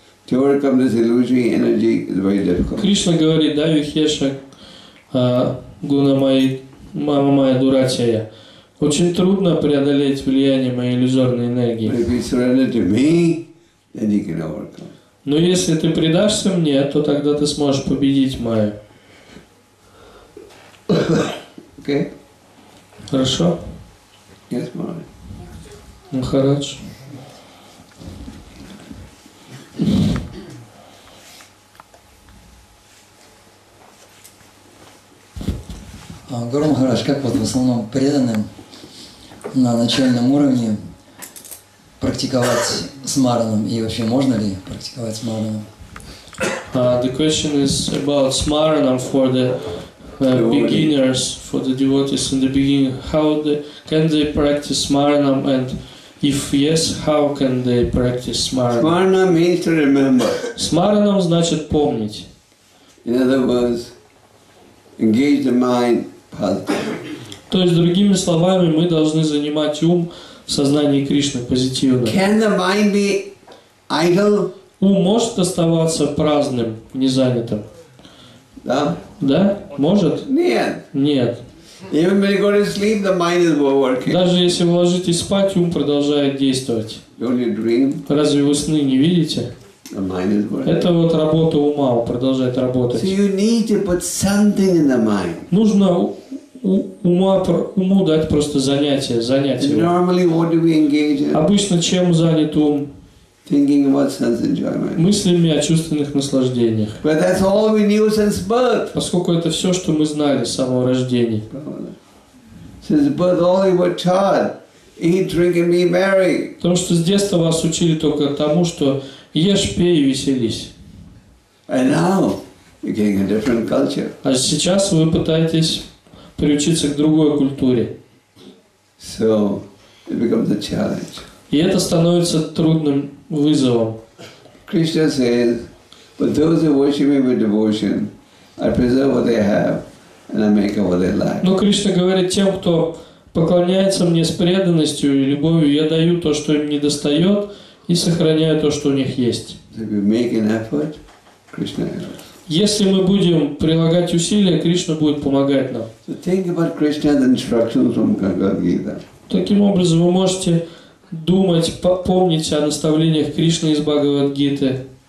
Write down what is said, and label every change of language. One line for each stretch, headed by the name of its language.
English: To overcome this illusory energy is very difficult.
Sanskrit: Krishna
Russian: говорит,
Sanskrit: Давихеша Гунамай Мама Майя Дурачая.
Russian: Очень трудно преодолеть влияние моей иллюзорной энергии.
English: But if you surrender to me, then you can overcome.
Russian: Но если ты предашься мне, то тогда ты сможешь победить Майю.
English: Okay.
Russian: Хорошо?
English: Yes, Maharaj.
Russian: Махарадж. Гуру Махарадж, как вот в основном преданным на начальном уровне практиковать смаранам? И вообще можно ли практиковать смаранам?
English: The question is about смаранам for the beginners, for the devotees in the beginning. How can they practice смаранам and if yes, how can they practice smaranam? Smaranam means to remember.
Russian: Smaranam значит помнить.
English: In other words, engage the mind positively.
Russian: То есть, другими словами, мы должны занимать ум в сознании Кришны позитивно.
English: Can the mind be idle?
Russian: Ум может оставаться праздным, незанятым? Да. Да? Может? Нет. Нет.
English: Even when you go to sleep, the mind is working.
Russian: Даже если вы ложитесь спать, ум продолжает действовать.
English: Don't you dream?
Russian: Разве вы сны не видите?
English: The mind is working.
Russian: Это вот работа ума, продолжает работать.
English: So you need to put something in the mind.
Russian: Нужно уму дать просто занятие.
English: And normally, what do we engage in?
Russian: Обычно чем занят ум?
English: Thinking about sense enjoyment.
Russian: Мыслями о чувственных наслаждениях.
English: But that's all we knew since birth.
Russian: Поскольку это все, что мы знали с самого рождения.
English: Since birth, all you were taught, eat, drink, and be merry.
Russian: Потому что с детства вас учили только тому, что Ешь, пей и веселись.
English: And now you're getting a different culture.
Russian: А сейчас вы пытаетесь приучиться к другой культуре.
English: So it becomes a challenge.
Russian: И это становится трудным вызовом.
English: Krishna says, but those who worship me with devotion, I preserve what they have and I make what they like.
Russian: Но Кришна говорит, тем, кто поклоняется мне с преданностью и любовью, я даю то, что им не достает, и сохраняю то, что у них есть.
English: If we make an effort, Krishna helps.
Russian: Если мы будем прилагать усилия, Кришна будет помогать нам.
English: So think about Krishna's instructions from Bhagavad Gita.
Russian: Таким образом, вы можете думать, помнить о наставлениях Кришны из Бхагавад-гиты.